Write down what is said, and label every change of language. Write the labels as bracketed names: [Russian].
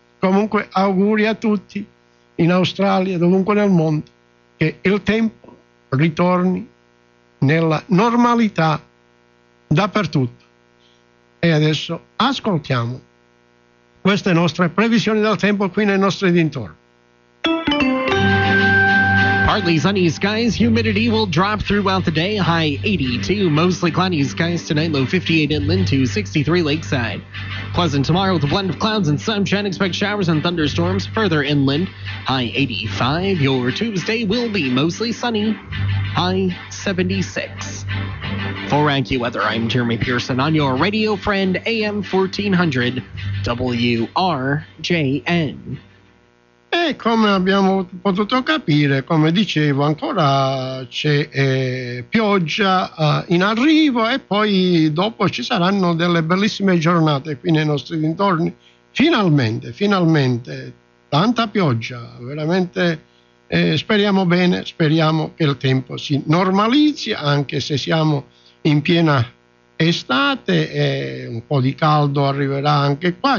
[Italian] Comunque, auguri a tutti in Australia, dovunque nel mondo, che il tempo ritorni nella normalità dappertutto. E adesso ascoltiamo queste nostre previsioni del tempo qui nei nostri dintorni. [English] Partly sunny skies, humidity will drop throughout the day, high 82. Mostly cloudy skies tonight, low 58 inland to 63 lakeside. Pleasant tomorrow with a blend of clouds and sunshine. Expect showers and thunderstorms further inland, high 85. Your Tuesday will be mostly sunny, high 76. For AccuWeather, I'm Jeremy Pearson on your radio friend, AM 1400, WRJN. [Italian] E come abbiamo potuto capire, come dicevo, ancora c'è pioggia in arrivo, e poi dopo ci saranno delle bellissime giornate qui nei nostri dintorni. Finalmente, finalmente, tanta pioggia, veramente speriamo bene, speriamo che il tempo si normalizzi, anche se siamo in piena estate, e un po' di caldo arriverà anche qua.